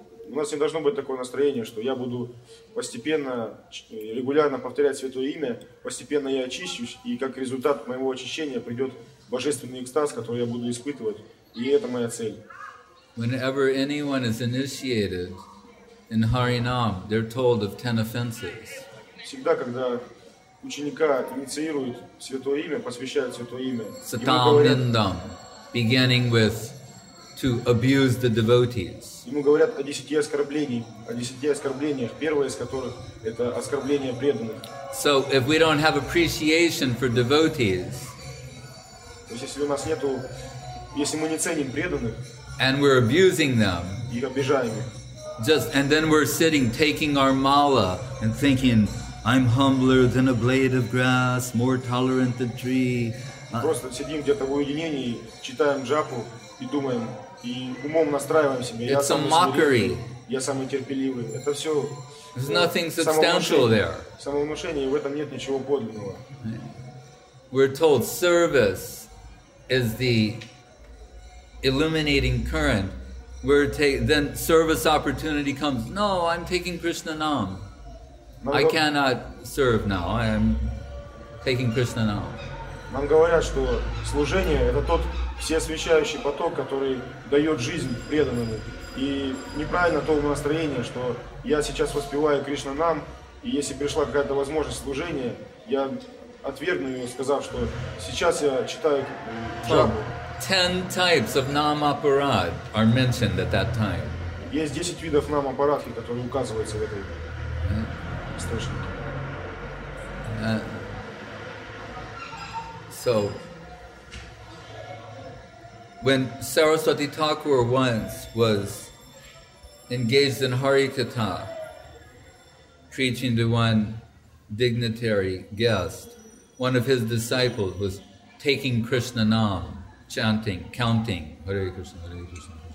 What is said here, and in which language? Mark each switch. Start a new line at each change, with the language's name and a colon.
Russian: У нас не должно быть такое настроение, что я буду постепенно, регулярно повторять Святое Имя, постепенно я очищусь, и как результат моего очищения придет божественный экстаз, который я буду испытывать, и это моя цель.
English: Whenever anyone is initiated in Harinam, they're told of 10 offenses.
Russian: Всегда, когда ученика инициируют в Святое Имя, посвящают Святое Имя,
English: Сатам Ниндам, beginning with to abuse the devotees.
Russian: Ему говорят о 10 оскорблениях, первое из которых это оскорбление преданных.
English: So if we don't have appreciation for devotees,
Russian: то есть если у нас нету, если мы не ценим преданных,
English: and we're abusing them,
Russian: их обижаем,
English: just and then we're sitting taking our mala and thinking I'm humbler than a blade of grass, more tolerant than tree.
Russian: Просто сидим где-то в уединении, читаем джапу и думаем. И умом настраиваем себя.
English: It's a mockery.
Russian: Я самый терпеливый. Это все.
English: There's nothing substantial there.
Russian: Самовнушение, в этом нет ничего подлинного.
English: We're told service is the illuminating current. Then service opportunity comes. No, I'm taking Krishna Nam. I cannot serve now. I am taking Krishna Nam.
Russian: Нам говорят, что служение это тот всеосвящающий поток, который дает жизнь преданному. И неправильно то настроение, что я сейчас воспеваю Кришна Нам, и если пришла какая-то возможность служения, я отвергну ее, сказав, что сейчас я читаю джапу.
English: 10 types of Namaparad are mentioned at that time.
Russian: Есть 10 видов Намапарадхи, которые указываются в этой источнике.
English: So when Saraswati Thakur once was engaged in Harikatha, preaching to one dignitary guest, one of his disciples was taking Krishna Nam, chanting, counting, Hare Krishna, Hare Krishna.